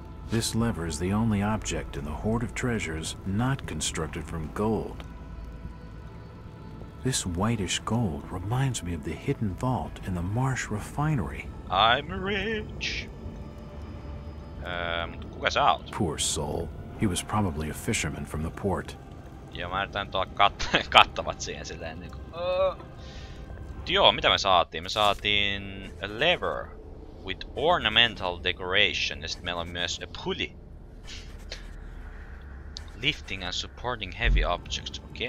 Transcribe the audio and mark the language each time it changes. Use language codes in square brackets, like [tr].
[en] This lever is the only object in the hoard of treasures not constructed from gold. This whitish gold reminds me of the hidden vault in the Marsh refinery. I'm rich! [fi] Kuka sä oot? [en] Poor soul. He was probably a fisherman from the port. [fi] Joo, mä yritän tuoda kattavat siihen silleen niinku... Joo, mitä me saatiin? Me saatiin [en] a lever with ornamental decoration, [fi] ja sit meillä on myös [en] a pulley. Lifting and supporting heavy objects, okei.